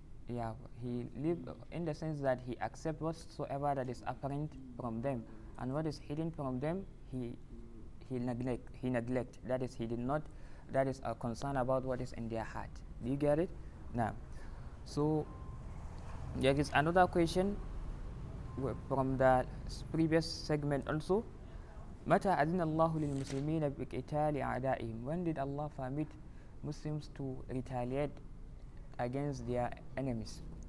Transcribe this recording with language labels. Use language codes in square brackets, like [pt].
[en] Yeah, he lived in the sense that he accept whatsoever that is apparent from them, and what is hidden from them, he neglect. That is, he did not. That is a concern about what is in their heart. Do you get it? Now, so there is another question from the previous segment also. [ar] متى أذن الله للمسلمين بقتال أعدائهم? [en] When did Allah permit Muslims to retaliate against their enemies?